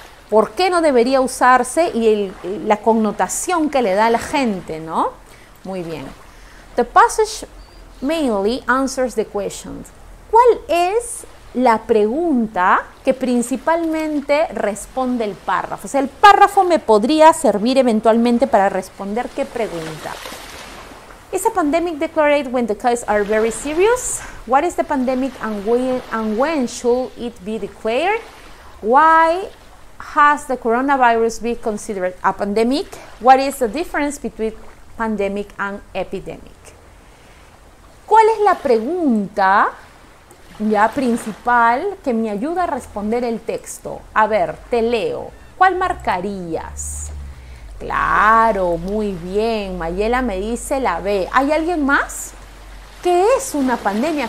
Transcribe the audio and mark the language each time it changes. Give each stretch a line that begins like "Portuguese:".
Spanish: ¿Por qué no debería usarse y la connotación que le da a la gente, ¿no? Muy bien.
English: The passage mainly answers the questions.
Spanish: ¿Cuál es la pregunta que principalmente responde el párrafo? O sea, el párrafo me podría servir eventualmente para responder qué pregunta.
English: Is a pandemic declared when the cases are very serious? What is the pandemic and when should it be declared? Why has the coronavirus been considered a pandemic? What is the difference between pandemic and epidemic?
Spanish: ¿Cuál es la pregunta ya principal que me ayuda a responder el texto? A ver, te leo. ¿Cuál marcarías? Claro, muy bien. Mayela me dice la B. ¿Hay alguien más? ¿Qué es una pandemia?